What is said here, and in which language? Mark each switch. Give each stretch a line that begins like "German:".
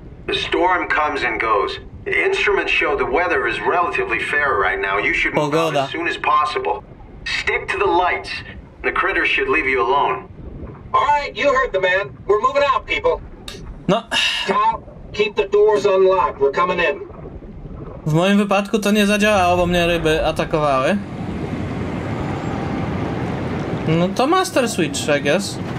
English: The storm comes and goes. The instruments show the weather is relatively fair right now. You should move out as soon as possible. Stick to the lights. The critters should leave you alone. Alright, you heard the man. We're moving out, people. No. Tau, keep the doors unlocked. We're coming in.
Polish: W moim wypadku to nie zadziałało, bo mnie ryby atakowały. No to Master Switch,
English: I guess.